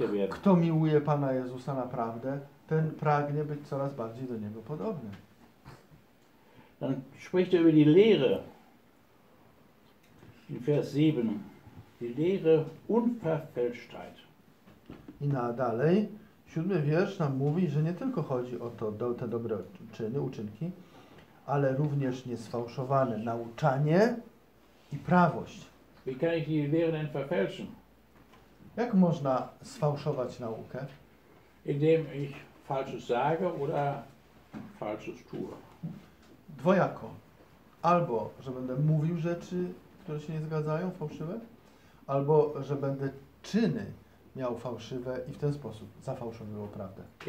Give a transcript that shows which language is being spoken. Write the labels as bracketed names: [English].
[Polish] Kto miłuje Pana Jezusa naprawdę, ten pragnie być coraz bardziej do Niego podobny. [German] Dann spricht er über die Lehre in Vers 7. Die Lehre Unverfälschtheit. [Polish] I na dalej, siódmy wiersz nam mówi, że nie tylko chodzi o to, te dobre czyny, uczynki, ale również niesfałszowane nauczanie i prawość. [German] Wie kann ich die Lehre denn verfälschen? [Polish] Jak można sfałszować naukę? [German] Indem ich falsches sage oder falsches tue. [Polish] Dwojako. Albo, że będę mówił rzeczy, które się nie zgadzają, fałszywe, albo, że będę czyny miał fałszywe i w ten sposób zafałszowywał prawdę.